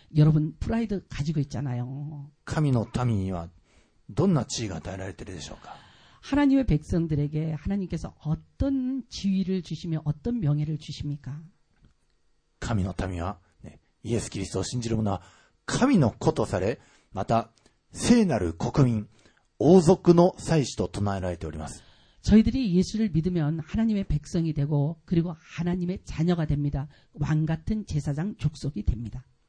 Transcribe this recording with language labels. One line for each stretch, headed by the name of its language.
Korean: 여러분, 프라이드 가지고 있잖아요.
Japanese: 神の民にはどんな地位が与えられているでしょうか?
Korean: 하나님의 백성들에게 하나님께서 어떤 지위를 주시며 어떤 명예를 주십니까?
Japanese: 神の民は
Korean: 예수 그리스도를
Japanese: 信じる 者は 神の子とされ、また聖なる国民、王族の祭司と唱えられております。
Korean: 저희들이 예수를 믿으면 하나님의 백성이 되고 그리고 하나님의 자녀가 됩니다. 왕 같은 제사장 족속이 됩니다.